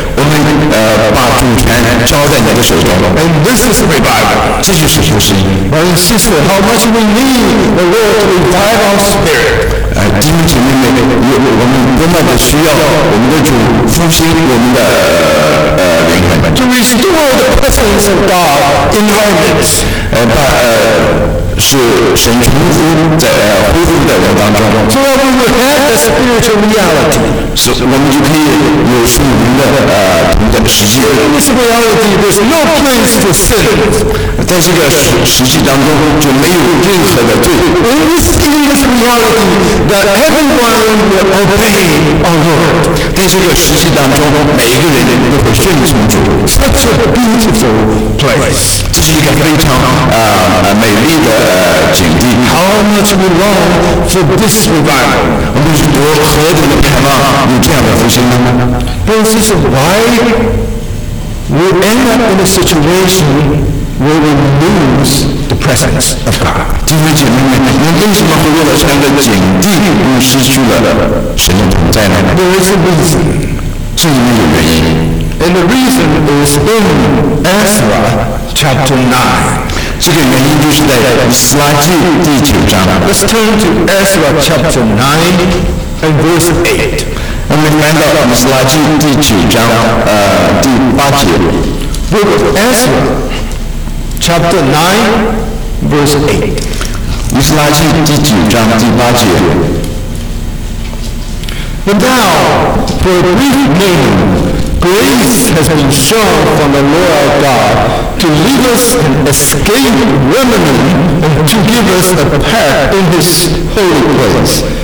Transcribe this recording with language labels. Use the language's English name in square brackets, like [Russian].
[Chinese] 我们把主权交在你的手中。 [English] And this is revival. [Chinese] 这就是复兴。 [English] And sister, how much we need the Lord to revive our spirit. [Chinese] 弟兄姐妹们，我们多么的需要我们的主复兴我们的灵魂。 [English] To restore the presence of God in our midst. [Chinese] 是神重复在恢复的人当中，所以我们有 [English] the spiritual reality， [Chinese] 所以我们就可以有属灵的同在的实际。 [English] In this reality, there's no place for sin。 [Chinese] 在这个实际当中就没有任何的罪。 [English] In this reality, that everyone will obey our Lord。 [Chinese] 在这个实际当中，每一个人都会顺从主。 [English] Such a beautiful place。 [Chinese] 这是一个非常美丽的。景地。 [English] How much we long for this revival? [Chinese] 我们是多何等的盼望有这样的复兴呢？ [English] This is why we end up in a situation where we lose the presence of God. [Chinese] 弟兄姐妹们，那为什么会为了这样的景地，又失去了神的同在呢？ [English] There is a reason. [Chinese] 这里面有原因。 [English] And the reason is in Ezra chapter 9. [Chinese] 这个原因就是在以斯拉记第九章。 [English] Let's turn to Ezra chapter 9 and verse 8. [Chinese] 我们翻到以斯拉记第九章第八节。 [English] Book of Ezra chapter 9 verse 8. [Chinese] 以斯拉记第九章第八节。 [English] But now, for a brief moment, grace has been shown from the Lord our God. To lead us and escape remnant and to give us a path in His holy place.